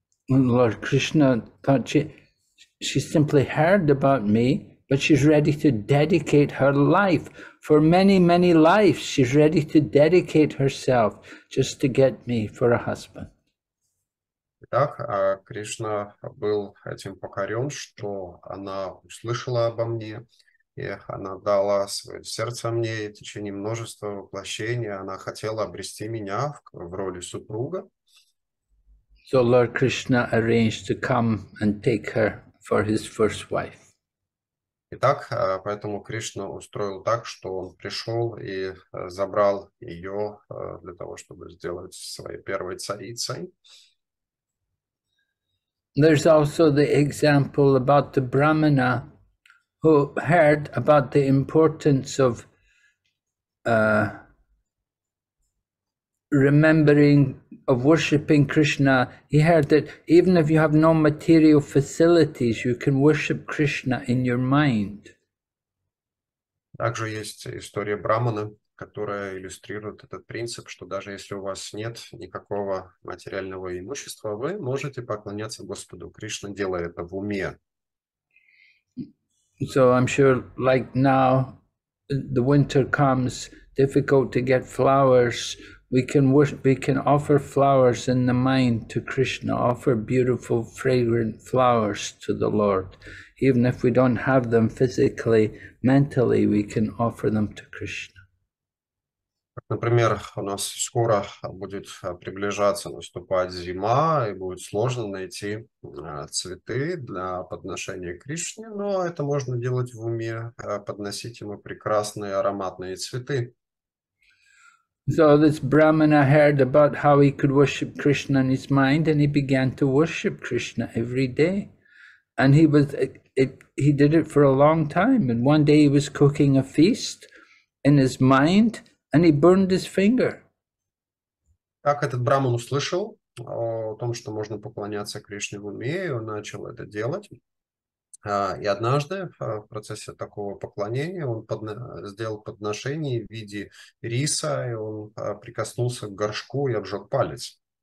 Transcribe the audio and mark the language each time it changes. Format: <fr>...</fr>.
<en>Lord Krishna thought she simply heard about me, but she's ready to dedicate her life for many, many lives. She's ready to dedicate herself just to get me for a husband.</en> <ru>Итак, Кришна был этим покорен, что она услышала обо мне, и она дала свое сердце мне в течение множества воплощений. Она хотела обрести меня в роли супруга.</ru> <en>So Lord Krishna arranged to come and take her for his first wife.</en> <ru>Итак, поэтому Кришна устроил так, что он пришел и забрал ее для того, чтобы сделать своей первой царицей.</ru> <en>There's also the example about the Brahmana who heard about the importance of remembering of worshipping Krishna, he heard that even if you have no material facilities, you can worship Krishna in your mind.</en> <ru>Также есть история Брахмана, которая иллюстрирует этот принцип, что даже если у вас нет никакого материального имущества, вы можете поклоняться Господу. Кришна делает это в уме.</ru> <en>So I'm sure like now the winter comes, difficult to get flowers, we can offer flowers in the mind to Krishna, offer beautiful fragrant flowers to the Lord. Even if we don't have them physically, mentally, we can offer them to Krishna.</en> <ru>Например, у нас скоро будет приближаться, наступать зима, и будет сложно найти цветы для подношения Кришне, но это можно делать в уме, подносить ему прекрасные ароматные цветы.</ru> <en>So this Brahmana heard about how he could worship Krishna in his mind, and he began to worship Krishna every day. And he did it for a long time. And one day he was cooking a feast in his mind, and he burned his finger.</en> <ru>Так этот Брахман услышал о том, что можно поклоняться Кришне в уме, и он начал это делать. И однажды в процессе такого поклонения он сделал подношение в виде риса, и он прикоснулся к горшку и обжег палец.</ru>